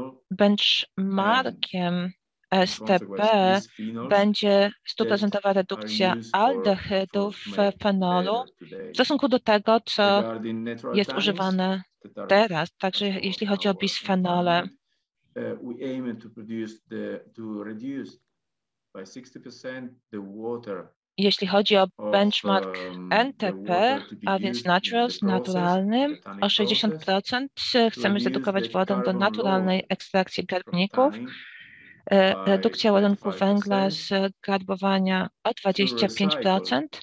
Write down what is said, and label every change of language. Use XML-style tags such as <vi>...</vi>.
<pl>Benchmarkiem STP będzie 100% redukcja aldehydów fenolu w stosunku do tego, co jest używane teraz, także jeśli chodzi o bisfenole.</pl> <en>We aim to produce the to reduce by 60% the water.</en> <pl>Jeśli chodzi o benchmark NTP, a więc naturals, naturalny, o 60% chcemy zredukować wodę do naturalnej ekstrakcji garbników, redukcja ładunku węgla z kadłubowania o 25%.</pl>